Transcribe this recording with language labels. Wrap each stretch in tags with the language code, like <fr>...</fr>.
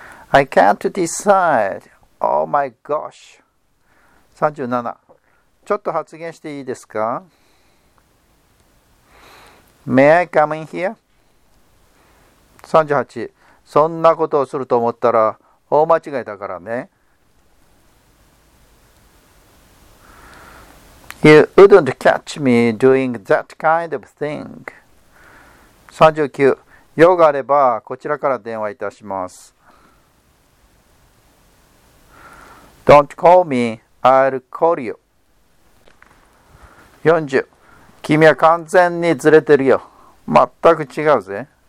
<en>I can't decide. Oh my gosh. 37.</en> <ja>ちょっと発言していいですか?</ja> <en>May I come in here? 38.</en> <ja>そんなことをすると思ったら大間違いだからね。</ja> <en>You wouldn't catch me doing that kind of thing. 39.</en> <ja>用があればこちらから電話いたします。</ja> <en>Don't call me, I'll call you. 40.</en> <ja>君は完全にずれてるよ。全く違うぜ。</ja>